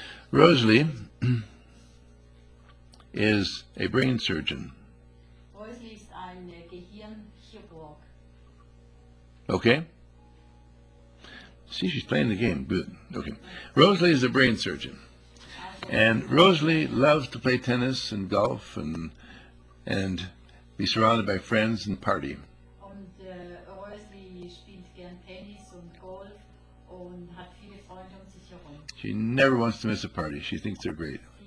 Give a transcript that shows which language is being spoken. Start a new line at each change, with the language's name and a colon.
English: Rosalie is a brain surgeon.
German: Rosalie ist ein Gehirnchirurg.
English: Okay. See, she's playing the game. Good. Okay. Rosalie is a brain surgeon. And Rosalie loves to play tennis and golf and be surrounded by friends and party.
German: Und Rosalie spielt gern Tennis und Golf und hat viele Freunde um sich herum.
English: She never wants to miss a party. She thinks they're great.